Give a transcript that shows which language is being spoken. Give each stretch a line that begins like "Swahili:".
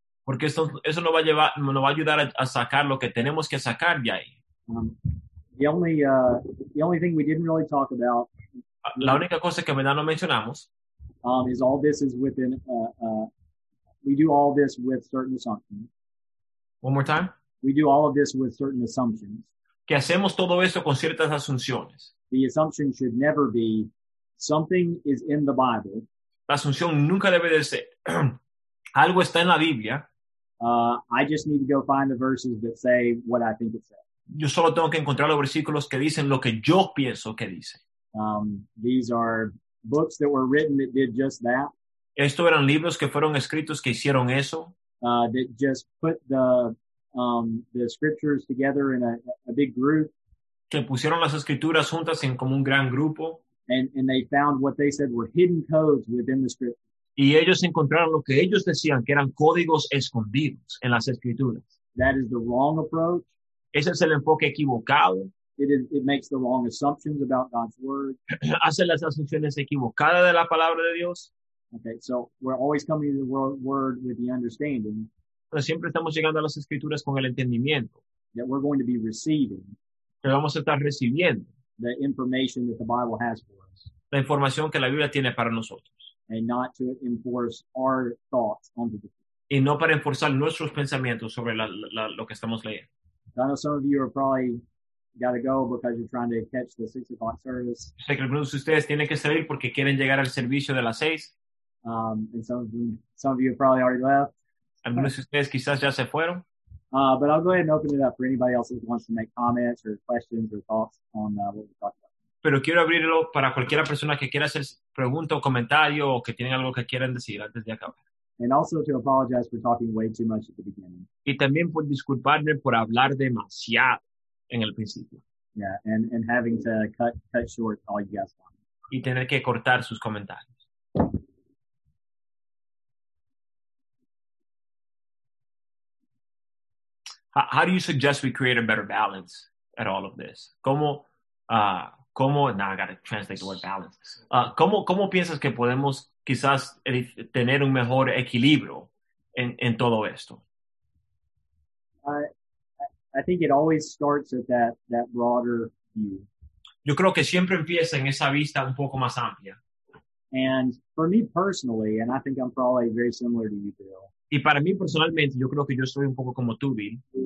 Spanish: Porque eso nos va a llevar, nos va a ayudar a sacar lo que tenemos que sacar de ahí.
English: The only thing we didn't really talk about.
Spanish: La única cosa que no mencionamos.
English: Is all this is within. We do all this with certain assumptions. One more time. We do all of this with certain assumptions.
Spanish: Que hacemos todo esto con ciertas asunciones.
English: The assumption should never be something is in the Bible.
Spanish: la asunción nunca debe de ser. Algo está en la Biblia.
English: I just need to go find the verses that say what I think it says.
Spanish: Yo solo tengo que encontrar los versículos que dicen lo que yo pienso que dice.
English: These are books that were written that did just that.
Spanish: Esto eran libros que fueron escritos que hicieron eso.
English: That just put the scriptures together in a big group.
Spanish: Que pusieron las escrituras juntas en como un gran grupo.
English: And they found what they said were hidden codes within the scriptures.
Spanish: Y ellos encontraron lo que ellos decían que eran códigos escondidos en las escrituras.
English: That is the wrong approach.
Spanish: Ese es el enfoque equivocado.
English: It makes the wrong assumptions about God's word.
Spanish: Hace las asunciones equivocadas de la palabra de Dios.
English: Okay, so we're always coming to the word with the understanding.
Spanish: Pero siempre estamos llegando a las escrituras con el entendimiento.
English: That we're going to be receiving.
Spanish: Que vamos a estar recibiendo.
English: The information that the Bible has for us.
Spanish: La información que la Biblia tiene para nosotros.
English: And not to enforce our thoughts onto the people.
Spanish: Y no para enforzar nuestros pensamientos sobre lo que estamos leyendo.
English: I know some of you are probably got to go because you're trying to catch the 6 o'clock service.
Spanish: Sé que algunos de ustedes tienen que salir porque quieren llegar al servicio de las 6.
English: And some of you have probably already left.
Spanish: Algunos de ustedes quizás ya se fueron.
English: But I'll go ahead and open it up for anybody else who wants to make comments or questions or thoughts on what we're talking about.
Spanish: Pero quiero abrirlo para cualquiera persona que quiera hacer pregunta o comentario o que tienen algo que quieran decir antes de acabar.
English: And also to apologize for talking way too much at the beginning.
Spanish: Y también por disculparme por hablar demasiado en el principio.
English: Yeah, and having to cut short all you guys want.
Spanish: Y tener que cortar sus comentarios.
English: How do you suggest we create a better balance at all of this? Now I gotta translate the word balance.
Spanish: ¿Cómo piensas que podemos quizás tener un mejor equilibrio en todo esto?
English: I think it always starts at that broader view.
Spanish: Yo creo que siempre empieza en esa vista un poco más amplia.
English: And for me personally, and I think I'm probably very similar to you, Bill.
Spanish: Y para mí personalmente, yo creo que yo soy un poco como tú, Bill.